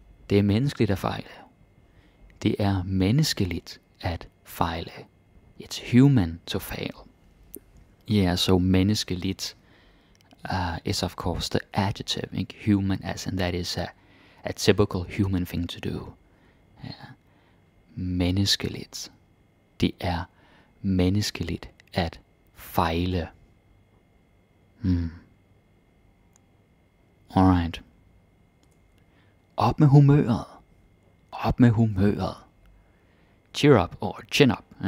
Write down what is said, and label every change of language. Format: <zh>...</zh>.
<da>Det er menneskeligt at fejle. Det er menneskeligt at fejle.</da> <en>It's human to fail. Yeah, so menneskeligt is of course the adjective, like human as, and that is a typical human thing to do.</en> <da>Yeah. Menneskeligt. Det er menneskeligt at fejle. Alright. Op med humøret. Op med humøret.</da> <en>Cheer up or chin up.</en>